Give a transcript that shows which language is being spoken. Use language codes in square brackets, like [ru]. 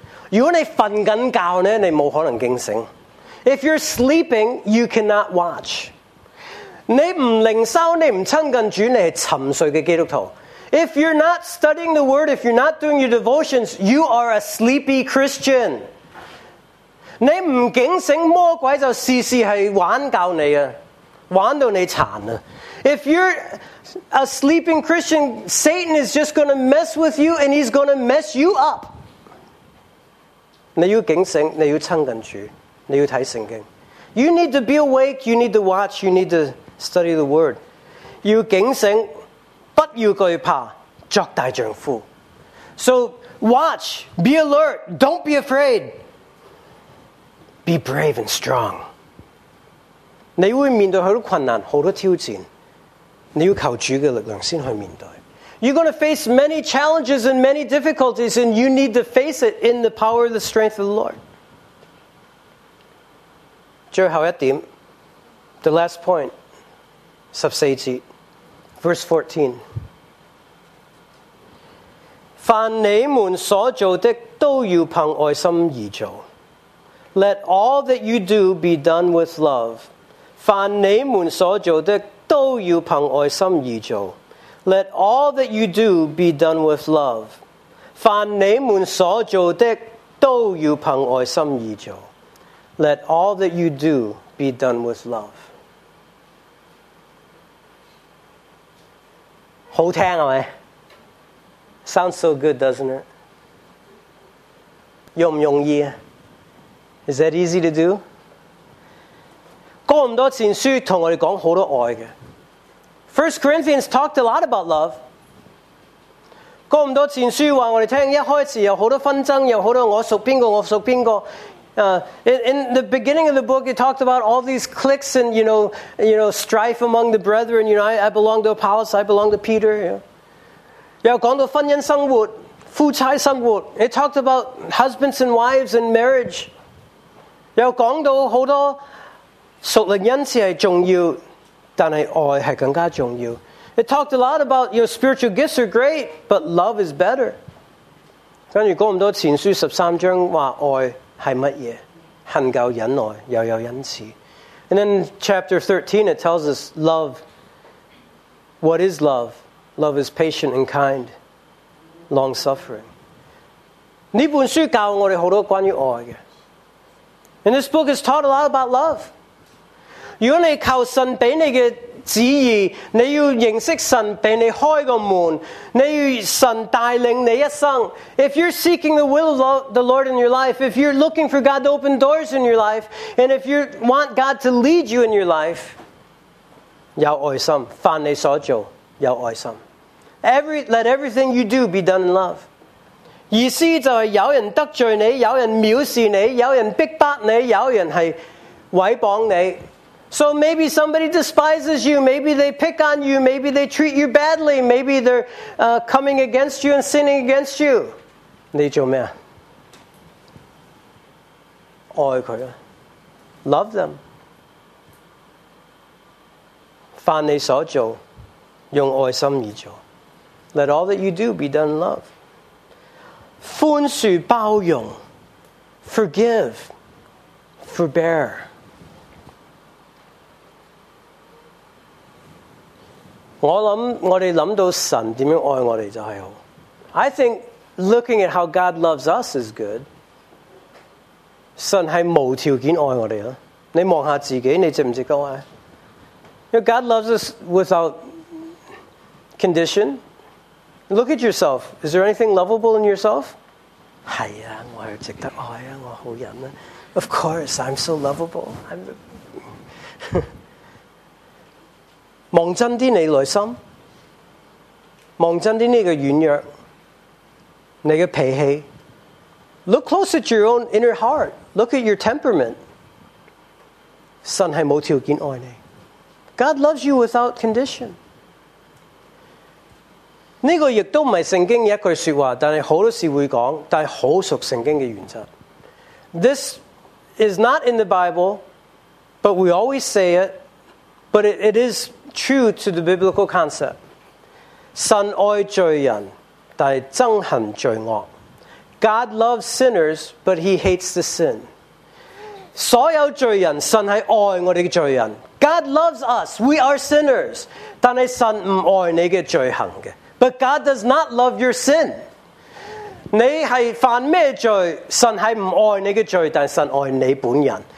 [yue] 如果你瞓紧觉咧，你冇可能警醒。 [en] If you're sleeping, you cannot watch. [yue] 你唔灵修，你唔亲近主，你系沉睡嘅基督徒。 [en] If you're not studying the word, if you're not doing your devotions, you are a sleepy Christian. [yue] 你唔警醒，魔鬼就时时系玩教你啊，玩到你残啊。 [en] If you're a sleeping Christian, Satan is just going to mess with you and he's going to mess you up. [yue] 你要警醒，你要亲近主，你要睇圣经。 [en] You need to be awake, you need to watch, you need to study the word. [yue] 要警醒，不要惧怕，作大丈夫。 [en] So watch, be alert, don't be afraid. Be brave and strong. [yue] 你会面对很多困难，很多挑战。你要求主的力量先去面对。 [en] You're going to face many challenges and many difficulties, and you need to face it in the power and the strength of the Lord. [yue] 最后一点 [en] ，the last point， [yue] 十四节 [en] ，verse 14。 [yue] 凡你们所做的，都要凭爱心而做。 [en] Let all that you do be done with love. [yue] 凡你们所做的。都要凭爱心而做。 [en] Let all that you do be done with love. [yue] 凡你们所做的，都要凭爱心而做。 [en] Let all that you do be done with love. [yue] 好听系咪 [en] ？Sounds so good, doesn't it? [yue] 容唔容易 [en] ？Is that easy to do? [yue] 哥林多前书同我哋讲好多爱嘅。 [en] First Corinthians talked a lot about love. [yue] 哥林多前书话我哋听，一开始有好多纷争，有好多我属边个，我属边个。 [en] In the beginning of the book, it talked about all these cliques and you know strife among the brethren. You know, I belong to Apollos, I belong to Peter. You know. [yue] 又讲到婚姻生活、夫妻生活。 [en] It talked about husbands and wives and marriage. [yue] 又讲到好多属灵恩赐系重要。但是爱是更加重要。 [en] It talked a lot about your spiritual gifts are great, but love is better. [yue] 跟住哥林多前书十三章话爱是乜嘢？恨够忍耐，又有恩赐。 [en] And then chapter 13 it tells us love. What is love? Love is patient and kind, long suffering. [yue] 呢本书教我哋好多关于爱嘅。 [en] And this book has taught a lot about love. [yue] 如果你求神俾你嘅旨意，你要认识神俾你开个门，你要神带领你一生。 [en] If you're seeking the will of the Lord in your life, if you're looking for God to open doors in your life, and if you want God to lead you in your life, [yue] 有爱心，凡你所做有爱心。 [en] Let everything you do be done in love. [yue] 意思就系有人得罪你，有人藐视你，有人逼迫你，有人系毁谤你。 [en] So maybe somebody despises you. Maybe they pick on you. Maybe they treat you badly. Maybe they're coming against you and sinning against you. [yue] 你做咩？爱佢啊 ， [en] love them。 [yue] 凡你所做，用爱心而做。 [en] Let all that you do be done in love. [yue] 宽恕包容 ， [en] forgive, forbear。 [yue] 我谂我哋谂到神点样爱我哋就系好。 [en] I think looking at how God loves us is good. [yue] 神系无条件爱我哋啊！你望下自己，你值唔值得爱？ [en] You know, God loves us without condition. Look at yourself. Is there anything lovable in yourself? [yue] 是啊，我是值得爱啊，我好人啊。 [en] Of course, I'm so lovable. [yue] 望真啲你内心，望真啲你嘅软弱，你嘅脾气。 [en] Look close at your own inner heart. Look at your temperament. [yue] 神系冇条件爱你。 [en] God loves you without condition. [yue] 这个也不是圣经一句说话，但是很多事会说，但是很熟圣经的原则。 [en] This is not in the Bible, but we always say it, but it is true to the biblical concept. [yue] 神爱罪人，但是憎恨罪恶。 [en] God loves sinners, but he hates the sin. [yue] 所有罪人，神是爱我们的罪人。 [en] God loves us, we are sinners. [yue] 但是神不爱你的罪行的。 [en] But God does not love your sin. [yue] 你是犯什么罪，神是不爱你的罪，但是神爱你本人。